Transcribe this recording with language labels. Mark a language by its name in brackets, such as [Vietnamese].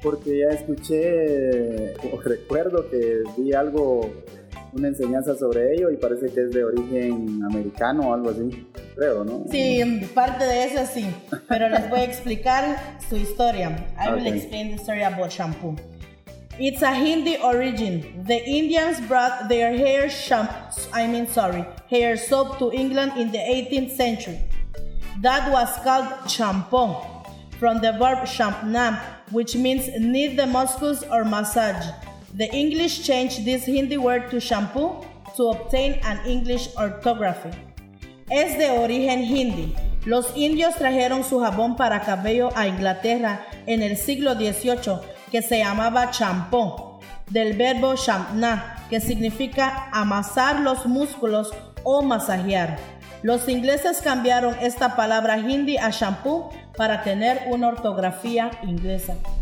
[Spanish] Porque ya escuché, o recuerdo que vi algo, una enseñanza sobre ello y parece que es de origen americano o algo así, creo, ¿no? Sí, parte de eso sí, pero les voy a explicar su historia. [English] I will explain the story about shampoo. It's a Hindi origin. The Indians brought their hair soap to England in the 18th century. That was called shampoo, from the verb shampnam, which means knead the muscles or massage. The English changed this Hindi word to shampoo to obtain an English orthography. [Spanish] Es de origen Hindi. Los indios trajeron su jabón para cabello a Inglaterra en el siglo XVIII, que se llamaba champó, del verbo champna, que significa amasar los músculos o masajear. Los ingleses cambiaron esta palabra Hindi a shampoo para tener una ortografía inglesa.